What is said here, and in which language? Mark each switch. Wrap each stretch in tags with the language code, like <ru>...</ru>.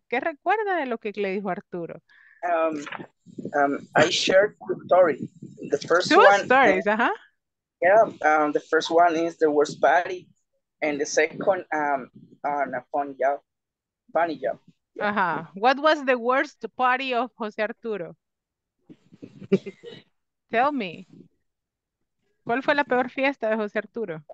<es>¿Qué recuerda de lo que le dijo Arturo?</es> <en>I shared two stories. The first two one, stories, Yeah, the first one is the worst party, and the second, on a fun job, funny job. What was the worst party of Jose Arturo? Tell me.</en> <es>¿Cuál fue la peor fiesta de José Arturo?</es>